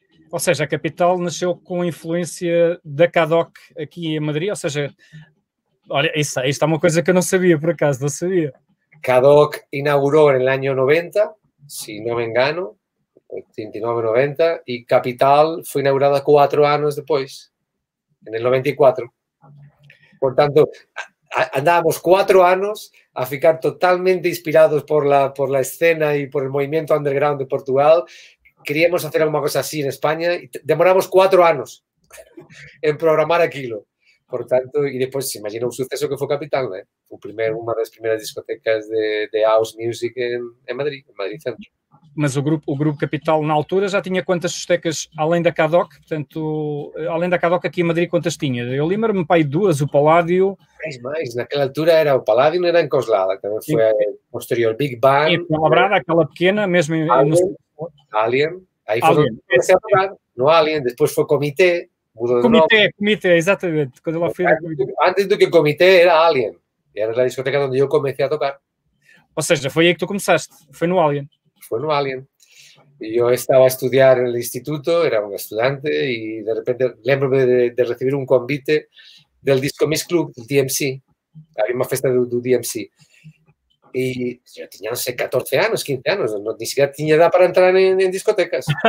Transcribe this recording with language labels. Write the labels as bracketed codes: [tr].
[pt] Ou seja, a Capital nasceu com a influência da Cadoc aqui em Madrid, ou seja, olha, isto é uma coisa que eu não sabia, por acaso, não sabia. Cadoc inaugurou no ano 90, se não me engano, 89-90, e Capital foi inaugurada 4 anos depois. [es] En el 94. Por tanto, andábamos 4 [pt] anos a ficar [es] totalmente inspirados por la escena y por el movimiento underground de Portugal. Queríamos hacer alguna cosa así en España y demoramos 4 anos en programar [pt] aquilo. [es] Por tanto, y después se imagina un suceso que fue Capital, ¿eh? Una de las primeras discotecas de house music en Madrid centro. [pt] Mas o grupo Capital, na altura, já tinha quantas discotecas além da Cadoc? Portanto, além da Cadoc aqui em Madrid, quantas tinha? Eu lembro-me, pai, duas, o Paládio... Mais, naquela altura era o Paládio, não era em Coslada, também foi posterior, Big Bang... E a Labrada, aquela pequena, mesmo... Alien, aí foi Alien. Onde foi a no Alien, depois foi Comité, mudou de Comité, nome. Comité, exatamente, quando ela foi... Antes do que Comité, era Alien, era a discoteca onde eu comecei a tocar. Ou seja, foi aí que tu começaste, foi no Alien. Foi no Alien. [es] Yo estaba a estudiar en el instituto, era un estudiante, y de repente [pt] lembro-me [es] de recibir un [pt] convite [es] del Disco Miss Club, del DMC. Había una fiesta del DMC. Y yo tenía, no sé, 14 años, 15 años, no, ni siquiera tenía edad para entrar en discotecas.